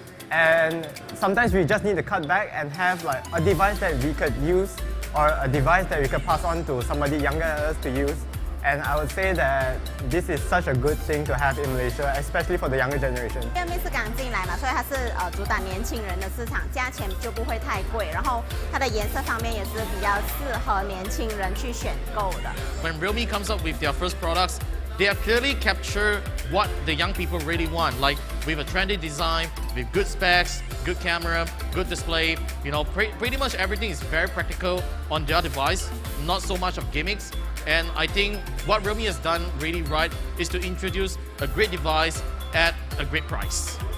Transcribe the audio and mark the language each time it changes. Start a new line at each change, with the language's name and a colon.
English: And sometimes we just need to cut back and have like a device that we could use, or a device that we could pass on to somebody younger than us to use. And I would say that this is such a good thing to have in Malaysia, especially for the younger generation.
Chinese: Realme 是刚进来嘛，所以它是主打年轻人的市场，价钱就不会太贵。然后它的颜色方面也是比较适合年轻人去选购的。
English: When Realme comes up with their first products, they have clearly captured what the young people really want, like with a trendy design, with good specs, good camera, good display. You know, pretty much everything is very practical on their device, not so much of gimmicks. And I think what Realme has done really right is to introduce a great device at a great price.